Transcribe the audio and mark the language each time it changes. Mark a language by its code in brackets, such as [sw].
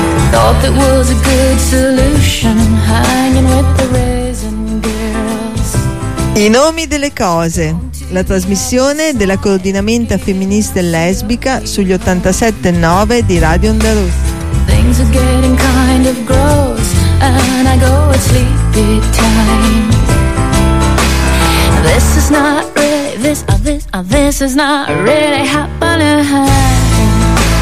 [en] thought that was a good solution, hanging with the raisin girls. [it] I nomi delle cose. La trasmissione della coordinamento femminista e lesbica sugli 87.9 di Radio Underoos. [en] Things are getting kind of gross and I go at sleepy time. This is not really, this is not really happening.